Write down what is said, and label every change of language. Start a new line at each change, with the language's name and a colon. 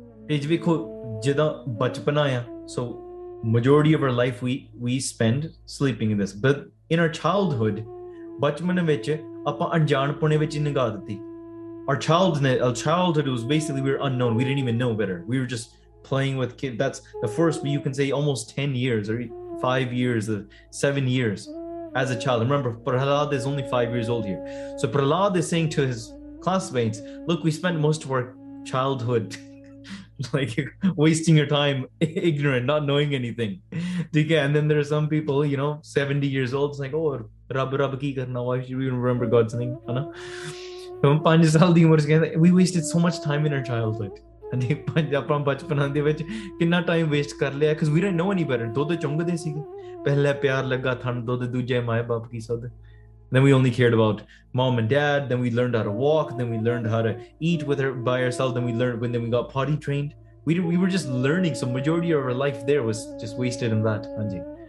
Punjabi: ਇਹ ਜੀ ਵੇਖੋ ਜਿੱਦਾਂ ਬਚਪਨ ਆ
English: so majority of our life we spend sleeping in this but in our childhood
Punjabi: ਬਚਪਨ ਵਿੱਚ ਆਪਾਂ ਅਣਜਾਣਪੁਣੇ ਵਿੱਚ ਨਿਗਾ ਦਿੱਤੀ
English: ਔਰ childhood was basically we are unknown we didn't even know better we were just playing with kids that's the first you can say almost 10 years or 5 years, 7 years as a child. Remember, Prahlad is only 5 years old here. So Prahlad is saying to his classmates, look, we spent most of our childhood like wasting your time, ignorant, not knowing anything. And then there are some people, you know, 70 years old, it's like, oh,
Punjabi: Rab Rab ki karna,
English: why should we remember God's name? We wasted so much time in our childhood.
Punjabi: ਆਪਾਂ ਬਚਪਨਾਂ ਦੇ ਵਿੱਚ ਕਿੰਨਾ time waste ਕਰ ਲਿਆ
English: because we didn't know any better
Punjabi: ਦੁੱਧ ਚੁੰਗਦੇ ਸੀਗੇ ਪਹਿਲਾਂ ਪਿਆਰ ਲੱਗਾ ਥਣ ਦੁੱਧ ਦੂਜੇ ਮਾਏ ਬਾਪ ਕੀ ਸੁੱਧ
English: then we only cared about mum and dad then we learned how to walk then we learned how to eat with her by ourself then we learned when then we got potty trained we were just learning so majority of our life there was just wasted in that ਹਾਂਜੀ